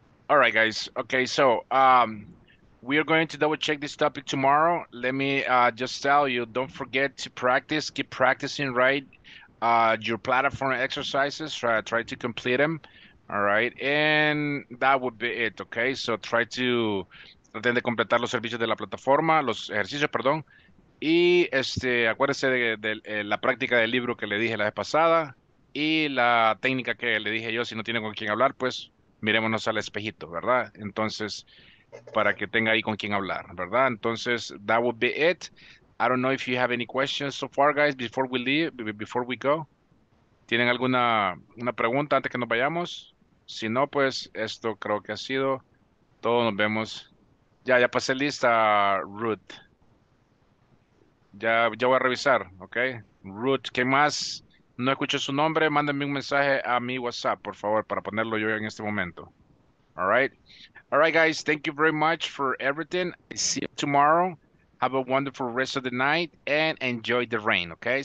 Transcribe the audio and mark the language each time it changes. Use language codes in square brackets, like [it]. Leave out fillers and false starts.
[en] All right, guys. Okay, so we are going to double check this topic tomorrow. Let me just tell you, don't forget to practice. Keep practicing, right? Your platform exercises, try to complete them. All right, and that would be it, okay? So try to... [es] Traten de completar los servicios de la plataforma, los ejercicios, perdón. Y acuérdense de la práctica del libro que le dije la vez pasada. y la técnica que le dije yo, si no tiene con quién hablar, pues mirémonos al espejito, ¿verdad? Entonces, para que tenga ahí con quién hablar, ¿verdad? [en] Entonces, that would be it. I don't know if you have any questions so far, guys, before we leave, before we go. [es] ¿Tienen alguna una pregunta antes que nos vayamos? Si no, pues, esto creo que ha sido. Todos nos vemos. Ya pasé lista, Ruth. Ya voy a revisar, ¿ok? Ruth, ¿qué más? No escucho su nombre, mándenme un mensaje a mi WhatsApp, por favor, para ponerlo yo en este momento. [en] All right, guys, thank you very much for everything. See you tomorrow. Have a wonderful rest of the night and enjoy the rain, okay?